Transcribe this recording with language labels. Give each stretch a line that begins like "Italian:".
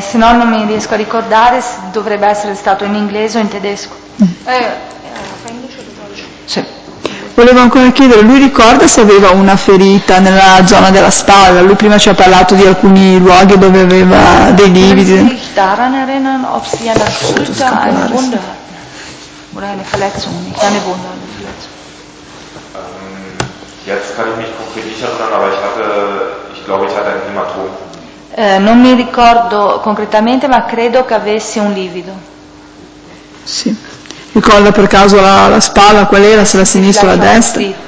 Italian: Se no non mi riesco a ricordare, dovrebbe essere stato in inglese o in tedesco. Sì. Volevo ancora chiedere, lui ricorda se aveva una ferita nella zona della spalla? Lui prima ci ha parlato di alcuni luoghi dove aveva dei lividi. Non
German: si daran erinnern, ob sie eine Schulter, eine Wunde hatten. Oder eine Verletzung, nicht eine Wunde, eine Verletzung. Jetzt kann ich mich konkret nicht erinnern, aber ich glaube, ich hatte ein Hämatom.
Italian: Non mi ricordo concretamente, ma credo che avessi un livido. Sì. Ricorda per caso la spalla, qual era, se la sinistra o la destra?